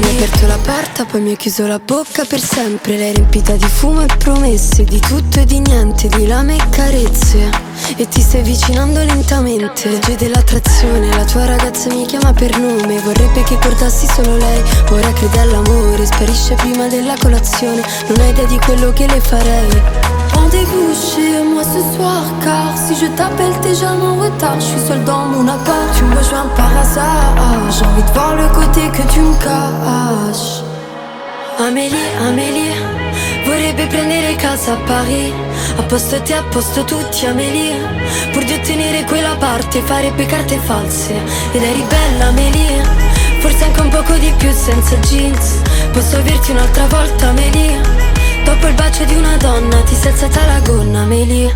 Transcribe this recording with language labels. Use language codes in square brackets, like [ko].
[it] Mi hai aperto la porta, poi mi hai chiuso la bocca per sempre. L'hai riempita di fumo e promesse, di tutto e di niente, di lame e carezze. E ti stai avvicinando lentamente. Legge dell'attrazione, la tua ragazza mi chiama per nome. Vorrebbe che guardassi solo lei. Ora crede all'amore, sparisce prima della colazione. Non hai idea di quello che le farei. [fr] Rendez-vous chez moi ce soir, car si je t'appelle t'es jamais en retard. Je suis seule dans mon appart, tu me joins par hasard. J'ai envie de voir le côté que tu me caches. [it] Amélie, Amélie, vorrebbe prendere casa a Paris. Appostati, apposto tutti, Amélie, pur di ottenere quella parte, farebbe carte false. Ed eri bella, Amélie, forse anche un poco di più senza jeans. Posso averti un'altra volta, Amélie, dopo il bacio di una donna, ti sei alzata la gonna, Amélie.